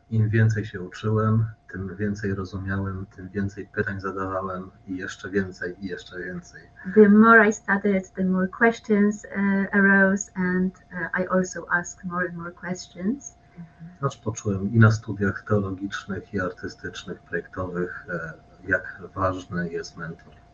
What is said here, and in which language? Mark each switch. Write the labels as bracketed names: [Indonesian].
[Polish] Im więcej się uczyłem, tym więcej rozumiałem, tym więcej pytań zadawałem i jeszcze więcej, i jeszcze więcej. [English] The more I studied, the more questions arose, and I also asked more and more questions. [Polish] Aż poczułem i na studiach teologicznych, i artystycznych, projektowych, jak ważny jest mentor.